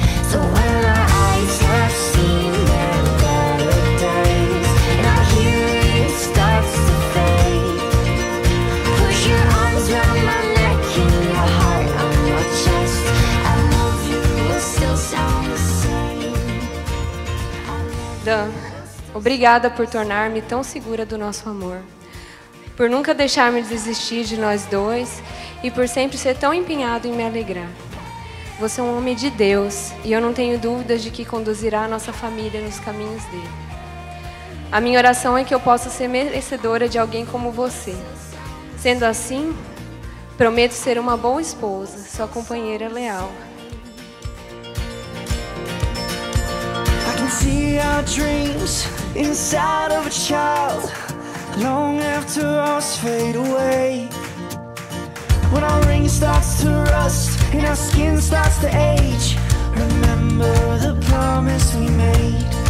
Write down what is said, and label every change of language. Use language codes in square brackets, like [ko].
[en] So when our eyes have seen their better days and our hearing starts to fade, push your arms around my neck and your heart on your chest. I love you will still sound the same. [pt] Dan, obrigada por tornar-me tão segura do nosso amor, por nunca deixar-me desistir de nós dois e por sempre ser tão empenhado em me alegrar. Você é um homem de Deus e eu não tenho dúvidas de que conduzirá a nossa família nos caminhos dele. A minha oração é que eu possa ser merecedora de alguém como você. Sendo assim, prometo ser uma boa esposa, sua companheira leal. [en] I can see our dreams inside of a child. Long after us fade away. When our ring starts to rust and our skin starts to age, remember the promise we made.